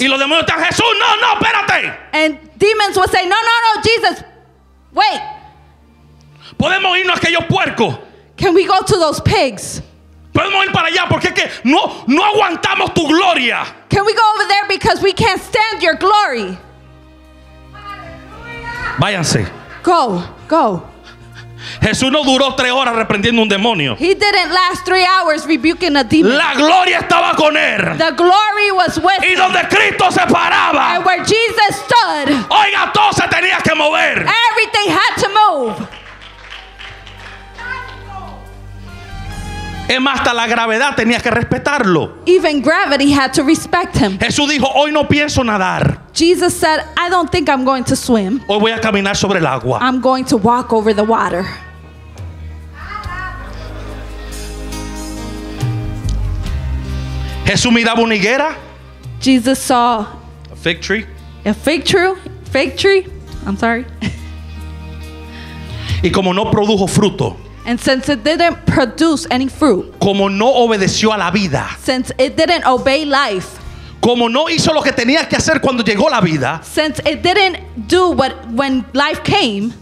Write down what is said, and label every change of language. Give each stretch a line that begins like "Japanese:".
Spanish: Y los demonios están, Jesús, no, no, espérate.
English: And demons would say, no, no, no, Jesus, wait.
Spanish: Podemos irnos a aquellos puercos.
English: Can we go to those pigs?
Spanish: Podemos ir para allá porque es que no aguantamos tu gloria.
English: Can we go over there because we can't stand your glory?
Spanish: Váyanse.
English: Go, go.
Spanish: Jesús no duró 3 horas reprendiendo un demonio.
English: He didn't last 3 hours rebuking a demon.
Spanish: La gloria estaba con él.
English: The glory was with him.
Spanish: Y donde Cristo se paraba.
English: And where Jesus stood.
Spanish: Oiga, todo se tenía que mover.
English: Everything had to move.
Spanish: Es más, hasta la gravedad tenía que respetarlo.
English: Even gravity had to respect him.
Spanish: Jesús dijo, hoy no pienso nadar.
English: Jesus said, I don't think I'm going to swim.
Spanish: Hoy voy a caminar sobre el agua.
English: I'm going to walk over the water.
Spanish: Jesús miraba una higuera.
English: Jesus saw a fig tree. A fig tree. Fig tree. I'm sorry.
Spanish: Y como no produjo fruto.
English: And since it didn't produce any fruit.
Spanish: Como no obedeció a la vida.
English: Since it didn't obey life.
Spanish: Como no hizo lo que tenía que hacer cuando llegó la vida.
English: Since it didn't do what when life came.